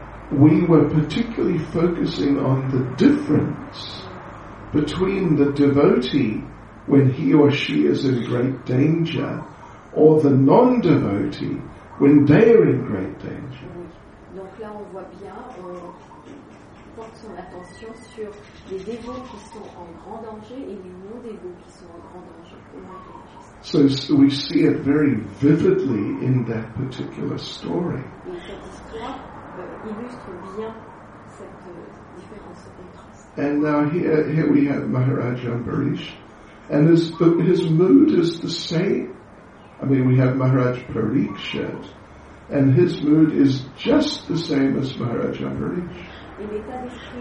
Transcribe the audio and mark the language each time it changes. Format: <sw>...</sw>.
<en>We were particularly focusing on the difference between the devotee when he or she is in great danger or the non-devotee when they are in great danger.</en> <fr>Donc là on voit bien, on porte son attention sur les dévots qui sont en grand danger et les non-dévots qui sont en grand danger.</fr> <en>So we see it very vividly in that particular story.</en> <fr>Et cette histoire illustre bien cette différence.</fr> <en>And now here we have Maharaj Ambarish, and his mood is the same. I mean, we have Maharaj Parikshit, and his mood is just the same as Maharaj Ambarish.</en>